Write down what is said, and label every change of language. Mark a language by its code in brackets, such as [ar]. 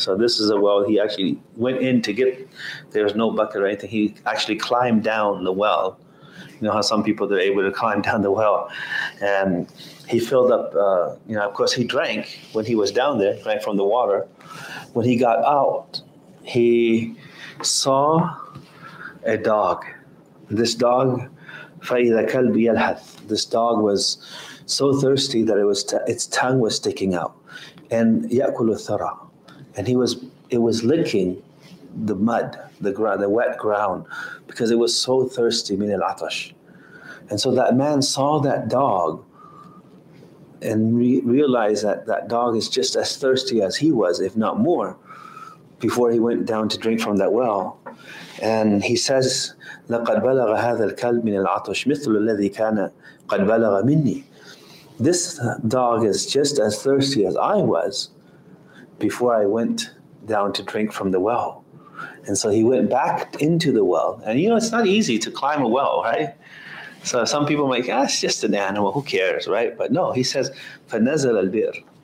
[en] So this is a well he actually went in to get. There's no bucket or anything. He actually climbed down the well. You know how some people, they're able to climb down the well. And he filled up, you know, of course he drank when he was down there, drank from the water. When he got out, he saw a dog. This dog, [ar] فَإِذَا كَلْبِ يَلْحَثْ. [en] This dog was so thirsty that it was its tongue was sticking out. [ar] And يَأْكُلُ الثَّرَى. [en] And it was licking the mud, the ground, the wet ground, because it was so thirsty, [ar] مِنَ الْعَطَشِ. [en] And so that man saw that dog and realized that that dog is just as thirsty as he was, if not more, before he went down to drink from that well. And he says, [ar] لَقَدْ بَلَغَ هَذَا الْكَلْبِ مِنَ الْعَطُشِ مِثْلُ الَّذِي كَانَ قَدْ بَلَغَ مِنِّي. [en] This dog is just as thirsty as I was before I went down to drink from the well. And so he went back into the well. And you know, it's not easy to climb a well, right? So some people might think, ah, it's just an animal, who cares, right? But no, he says, [ar] فَنَزَلَ الْبِرِ.